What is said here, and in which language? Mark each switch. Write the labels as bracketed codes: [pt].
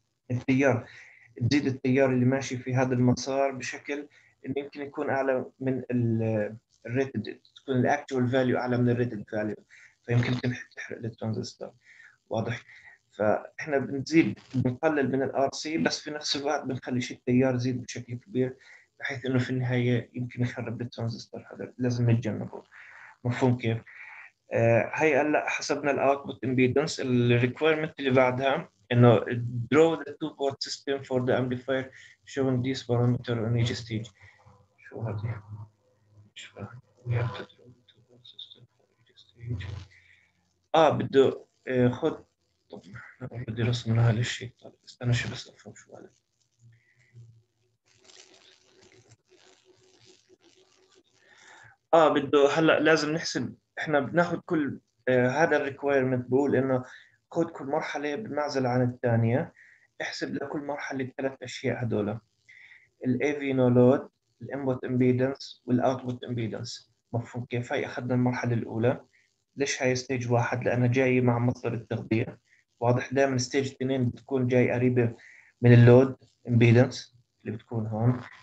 [ar] التيار، تزيد التيار اللي ماشي في هذا المسار بشكل انه يمكن يكون اعلى من الريتد، تكون الاكتوال فاليو اعلى من الريتد فاليو، فيمكن تحرق الترانزستور، واضح. فاحنا بنزيد بنقلل من الار سي بس في نفس الوقت بنخلي شيء التيار يزيد بشكل كبير بحيث انه في النهايه يمكن يخرب الترانزستور، هذا لازم نتجنبه، مفهوم كيف؟ هي هلا حسبنا الاوتبوت امبيدنس. الريكويرمنت اللي بعدها انه [en] draw the two port system for the amplifier showing this parameter on each stage. [ar] شو هذه؟ مش فاهم. [en] We have to draw the two port system for each stage. [ar] بده خد، طب اوريدي رسمناها للشيء. طب استنى شيء بس افهم شو هذا. بده هلا لازم نحسب، احنا بناخذ كل هذا الريكويرمنت بقول انه خذ كل مرحله بمعزل عن الثانيه، احسب لكل مرحله 3 اشياء هذول، الاي في نو لود، الانبوت امبيدنس والاوتبوت امبيدنس، مفهوم كيف؟ هاي اخذنا المرحله الاولى، ليش هاي ستيج واحد؟ لانها جاي مع مصدر التغذيه، واضح دائما ستيج اثنين بتكون جاي قريبه من اللود امبيدنس اللي بتكون هون.